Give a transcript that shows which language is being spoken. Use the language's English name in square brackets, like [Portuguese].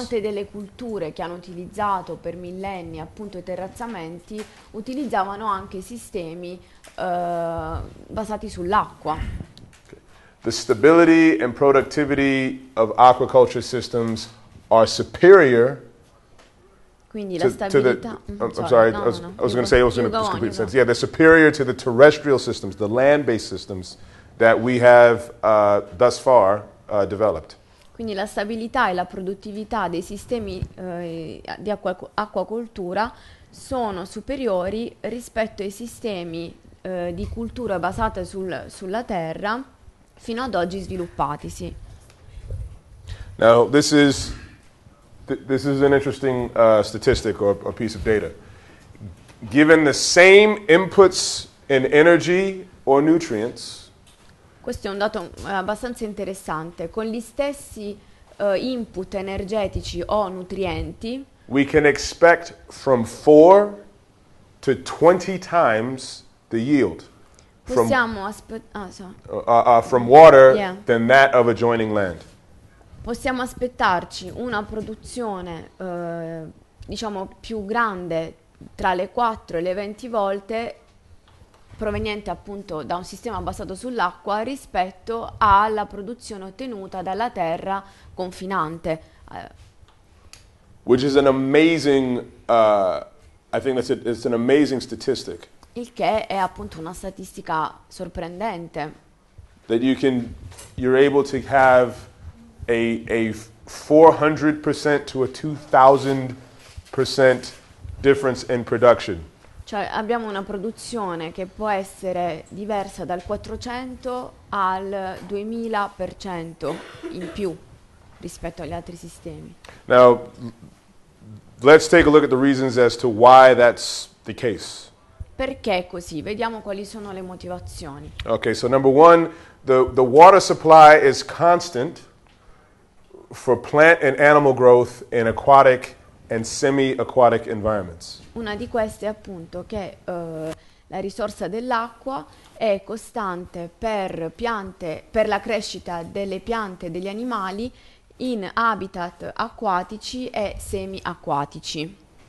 [Italian] Molte delle culture che hanno utilizzato per millenni appunto i terrazzamenti utilizzavano anche sistemi basati sull'acqua. [English] Okay. The stability and productivity of aquaculture systems are superior. [Italian] Quindi la stabilità. [English] I was going to say yeah, they're superior to the terrestrial systems, the land-based systems that we have thus far. Developed. [Italian] Quindi la stabilità e la produttività dei sistemi di acquacoltura sono superiori rispetto ai sistemi di cultura basata sulla terra fino ad oggi sviluppati. Sì. [English] Now this is an interesting statistic or piece of data. Given the same inputs in energy or nutrients. [Italian] Questo è un dato abbastanza interessante. Con gli stessi input energetici o nutrienti, [English] we can expect from 4 to 20 times the yield from water, yeah, than that of adjoining land. [Italian] Possiamo aspettarci una produzione, diciamo, più grande tra le 4 e le 20 volte proveniente appunto da un sistema basato sull'acqua rispetto alla produzione ottenuta dalla terra confinante. [English] Which is an amazing, I think it's an amazing statistic. [Italian] Il che è appunto una statistica sorprendente. [English] That you're able to have a 400% to a 2000% difference in production. [Italian] Cioè abbiamo una produzione che può essere diversa dal 400 al 2000% in più rispetto agli altri sistemi. [English] Now let's take a look at the reasons as to why that's the case. [Italian] Perché è così? Vediamo quali sono le motivazioni. [English] Okay, so number one, the water supply is constant for plant and animal growth in aquatic and semi-aquatic environments. [Italian] Una di queste è appunto che la risorsa dell'acqua è costante per piante, per la crescita delle piante e degli animali in habitat acquatici e semi-acquatici.